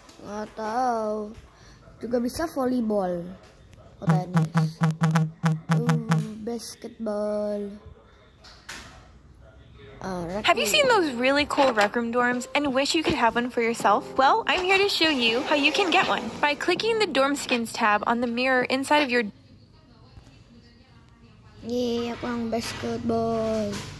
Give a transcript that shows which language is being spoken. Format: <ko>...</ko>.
<id>Nggak tahu, juga bisa volleyball, tenis, basketball.</id> <en>Have you seen those really cool rec room dorms and wish you could have one for yourself? Well, I'm here to show you how you can get one by clicking the dorm skins tab on the mirror inside of your.</en> <id>Yeah, aku yang basketball.</id>